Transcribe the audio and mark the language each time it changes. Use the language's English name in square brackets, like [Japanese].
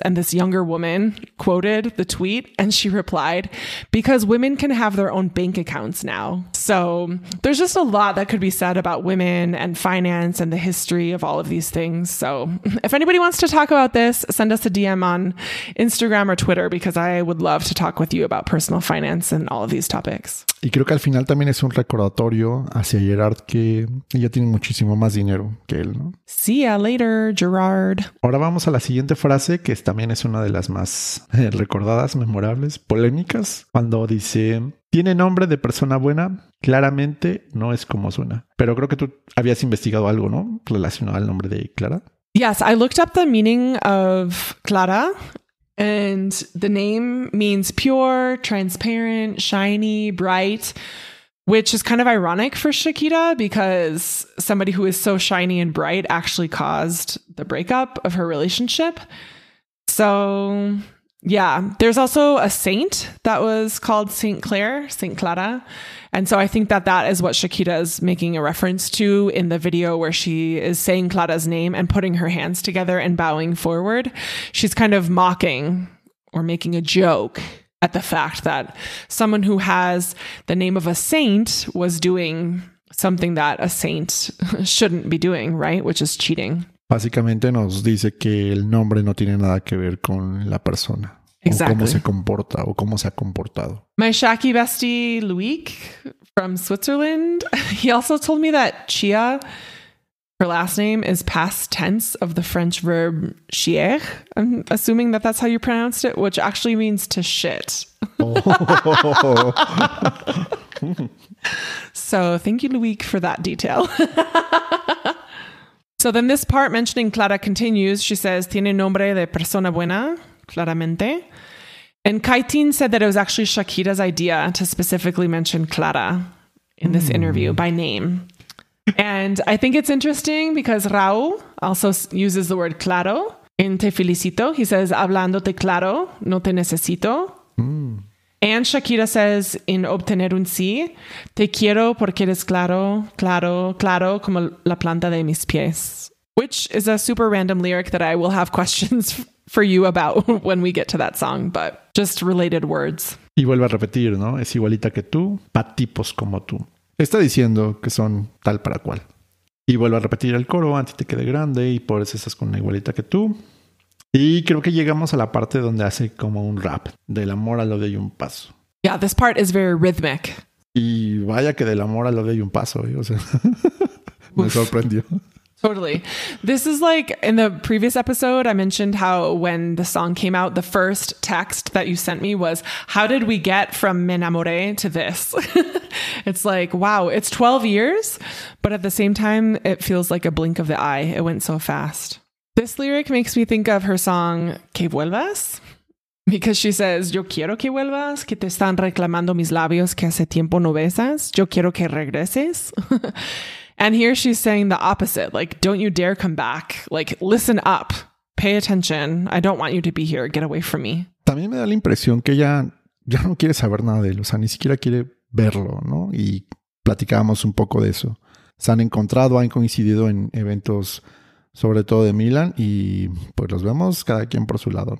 [English] And this younger woman quoted the tweet and she replied, because women can have their own bank accounts now. So there's just a lot that could be said about women and finance and the history of all of these things. So if anybody wants to talk about this, send us a DM on Instagram or Twitter, because I would love to talk with you about personal finance and all of these topics. [Spanish] Y creo que al final también es un recordatorio hacia Gerard que ella tiene muchísimo más dinero que él, ¿no? [English] See ya later, Gerard. [Spanish] Ahora vamos a la siguiente frase, que también es una de las más recordadas, memorables, polémicas, cuando dice, tiene nombre de persona buena, claramente no es como suena. Pero creo que tú habías investigado algo, ¿no? Relacionado al nombre de Clara. [English] Yes, I looked up the meaning of Clara. And the name means pure, transparent, shiny, bright, which is kind of ironic for Shakira, because somebody who is so shiny and bright actually caused the breakup of her relationship. So, yeah, there's also a saint that was called Saint Claire, Saint Clara. And so I think that that is what Shakira is making a reference to in the video where she is saying Clara's name and putting her hands together and bowing forward. She's kind of mocking or making a joke at the fact that someone who has the name of a saint was doing something that a saint shouldn't be doing, right? Which is cheating. [Spanish] Básicamente nos dice que el nombre no tiene nada que ver con la persona. [English] Exactly. [Spanish] O cómo se comporta o cómo se ha comportado. [English] My Shaki bestie, Luik, from Switzerland, he also told me that Chia, her last name, is past tense of the French verb chier. I'm assuming that that's how you pronounced it, which actually means to shit. Oh. So thank you, Luik, for that detail. So then this part mentioning Clara continues. She says, [Spanish] tiene nombre de persona buena, claramente. [English] And Kaitin said that it was actually Shakira's idea to specifically mention Clara in this interview by name. And I think it's interesting because Raúl also uses the word claro in Te Felicito. He says, [Spanish] hablándote claro, no te necesito. [English] And Shakira says in [Spanish] Obtener un Sí, te quiero porque eres claro, claro, claro como la planta de mis pies. [English] Which is a super random lyric that I will have questions for you about when we get to that song, but just related words. [Spanish] Y vuelve a repetir, ¿no? Es igualita que tú, pa tipos como tú. Está diciendo que son tal para cual. Y vuelve a repetir el coro, antes te quede grande y por eso estás con una igualita que tú. Y creo que llegamos a la parte donde hace como un rap. Del amor a lo de un paso. [English] Yeah, this part is very rhythmic. [Spanish] Y vaya que del amor a lo de un paso, ¿eh? O sea, me sorprendió. [English] Totally. This is like in the previous episode, I mentioned how when the song came out, the first text that you sent me was, how did we get from Me Enamoré to this? It's like, wow, it's 12 years, but at the same time, it feels like a blink of the eye. It went so fast. This lyric makes me think of her song, Que Vuelvas, because she says, [Spanish] yo quiero que vuelvas, que te están reclamando mis labios que hace tiempo no besas. Yo quiero que regreses. [English] And here she's saying the opposite, like, don't you dare come back. Like, listen up, pay attention. I don't want you to be here. Get away from me. [Spanish] También me da la impresión que ella ya no quiere saber nada de él. O sea, ni siquiera quiere verlo, ¿no? Y platicábamos un poco de eso. Se han encontrado, han coincidido en eventos, sobre todo de Milan, y pues los vemos cada quien por su lado.